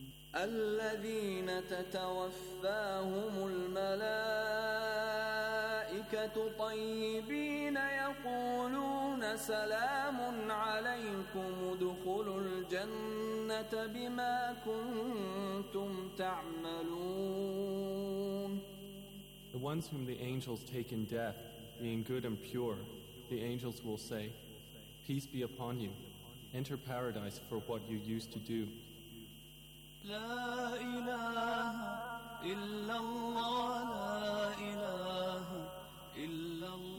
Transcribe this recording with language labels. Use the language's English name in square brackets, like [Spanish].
[Arabic] الذين تتوفاهم الملائكة طيبين يقولون سلام عليكم ادخلوا الجنة بما كنتم تعملون. [English] The ones whom the angels take in death, being good and pure, the angels will say, peace be upon you, enter paradise for what you used to do. [Arabic] لا إله إلا الله لا إله إلا الله.